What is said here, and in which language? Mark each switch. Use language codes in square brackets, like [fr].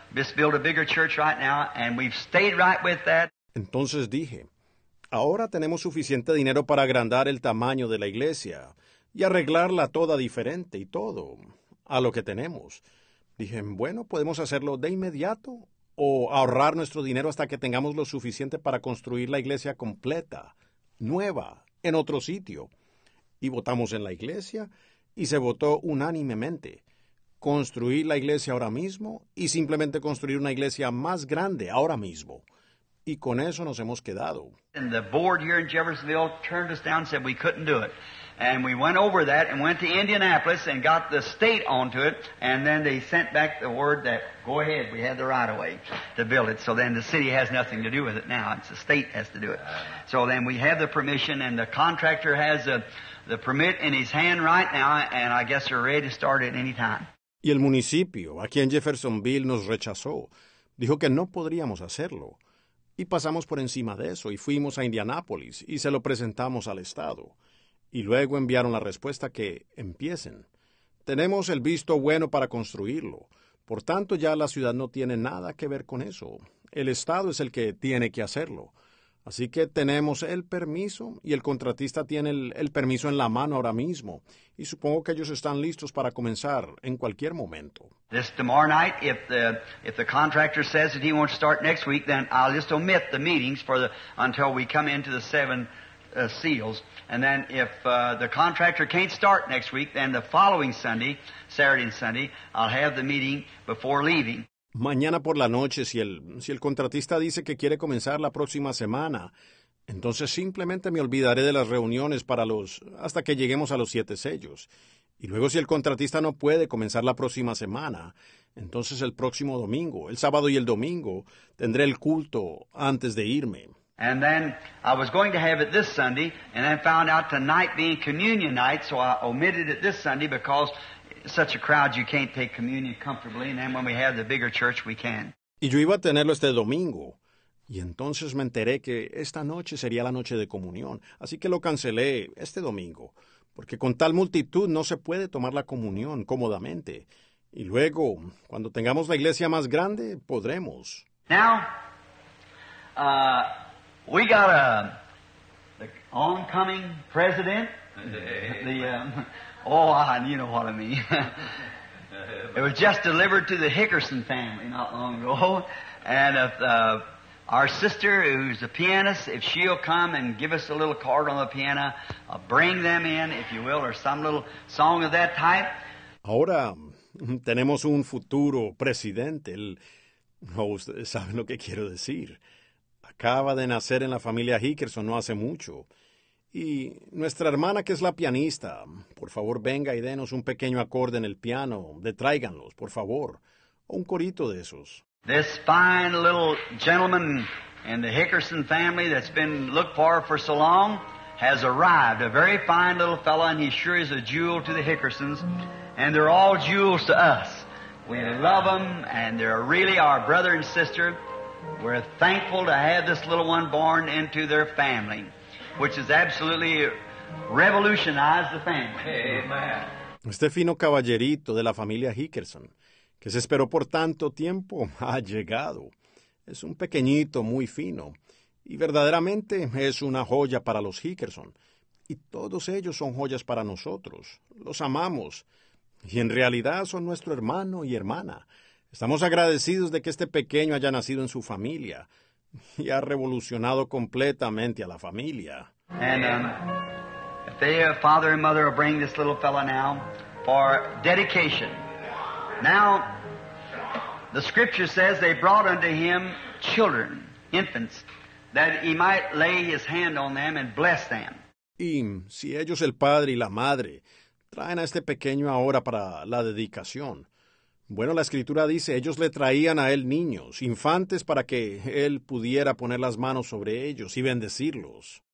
[en] Just build a bigger church right now, and we've stayed right with that. [es] Entonces dije, ahora tenemos suficiente dinero para agrandar el tamaño de la iglesia y arreglarla toda diferente y todo a lo que tenemos. Dije, bueno, podemos hacerlo de inmediato o ahorrar nuestro dinero hasta que tengamos lo suficiente para construir la iglesia completa, nueva, en otro sitio. Y votamos en la iglesia y se votó unánimemente. Construir la iglesia ahora mismo y simplemente construir una iglesia más grande ahora mismo. Y con eso nos hemos quedado. [en] And the board here in Jeffersonville turned us down and said we couldn't do it. And we went over that and went to Indianapolis and got the state onto it. And then they sent back the word that, go ahead, we had the right of way to build it. So then the city has nothing to do with it now. It's the state has to do it. So then we have the permission and the contractor has the permit in his hand right now. And I guess they're ready to start at any time. [es] Y el municipio, aquí en Jeffersonville, nos rechazó. Dijo que no podríamos hacerlo. Y pasamos por encima de eso y fuimos a Indianápolis y se lo presentamos al Estado. Y luego enviaron la respuesta que, empiecen. Tenemos el visto bueno para construirlo. Por tanto, ya la ciudad no tiene nada que ver con eso. El Estado es el que tiene que hacerlo. Así que tenemos el permiso y el contratista tiene el permiso en la mano ahora mismo. Y supongo que ellos están listos para comenzar en cualquier momento. [en] This tomorrow night, if the contractor says that he wants to start next week, then I'll just omit the meetings until we come into the seven seals. And then if the contractor can't start next week, then the following Sunday, Saturday and Sunday, I'll have the meeting before leaving. [es] Mañana por la noche, si el contratista dice que quiere comenzar la próxima semana, entonces simplemente me olvidaré de las reuniones hasta que lleguemos a los siete sellos. Y luego si el contratista no puede comenzar la próxima semana, entonces el próximo domingo, el sábado y el domingo, tendré el culto antes de irme. [en] And then I was going to have it this Sunday, and then found out tonight being communion night, so I omitted it this Sunday because such a crowd, you can't take communion comfortably, and then when we have the bigger church, we can. [es] Y yo iba a tenerlo este domingo, y entonces me enteré que esta noche sería la noche de comunión, así que lo cancelé este domingo, porque con tal multitud no se puede tomar la comunión cómodamente. Y luego, cuando tengamos la iglesia más grande, podremos. [en] Now, we got the oncoming president, you know what I mean. It was just delivered to the Hickerson family not long ago. And our sister, who's a pianist, if she'll come and give us a little card on the piano, bring them in, if you will, or some little song of that type. [es] Ahora tenemos un futuro presidente. No, ustedes saben lo que quiero decir. Acaba de nacer en la familia Hickerson no hace mucho. Y nuestra hermana, que es la pianista, por favor venga y denos un pequeño acorde en el piano. Detráiganlos, por favor. O un corito de esos. [en] This fine little gentleman in the Hickerson family that's been looked for so long has arrived. A very fine little fellow, and he sure is a jewel to the Hickersons. And they're all jewels to us. We love them, and they're really our brother and sister. We're thankful to have this little one born into their family, which is absolutely revolutionize the family. Amen. [es] Este fino caballerito de la familia Hickerson, que se esperó por tanto tiempo, ha llegado. Es un pequeñito muy fino y verdaderamente es una joya para los Hickerson. Y todos ellos son joyas para nosotros. Los amamos. Y en realidad son nuestro hermano y hermana. Estamos agradecidos de que este pequeño haya nacido en su familia y ha revolucionado completamente a la familia. [en] And if they, father and mother, will bring this little fellow now for dedication. Now, the scripture says they brought unto him children, infants, that he might lay his hand on them and bless them. [es] Y si ellos, el padre y la madre, traen a este pequeño ahora para la dedicación. Bueno, la Escritura dice, ellos le traían a él niños, infantes, para que él pudiera poner las manos sobre ellos y bendecirlos.